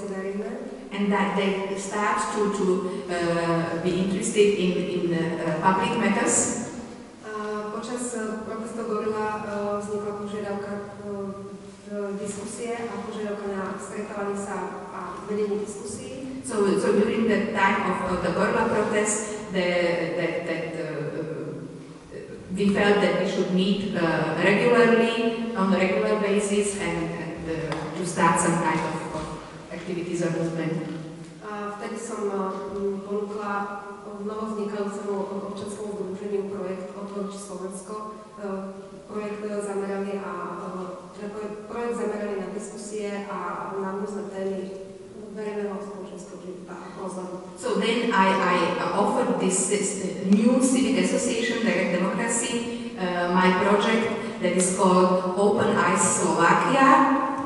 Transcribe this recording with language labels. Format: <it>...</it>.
<en>That they start to be interested in public matters.</en> <sk>Počas počas protestov Gorila vznikla požiadavka diskusie a požiadavka na stretávanie sa a vedenie diskusí.</sk> <en>So during the time of the Gorila protest, we felt that we should meet regularly, on a regular basis, and to start some kind of activities or movement.</en> <sk>Vtedy som ponúkla novo vznikajúcemu občanskému združeniu projekt Otvoriť Slovensko, projekt zameraný na diskusie a na rôzne témy verejného spoločenského života a rozvoju.</sk> <en>So then I offered this new civic association, Direct Democracy, my project that is called Open Eyes Slovakia.</en>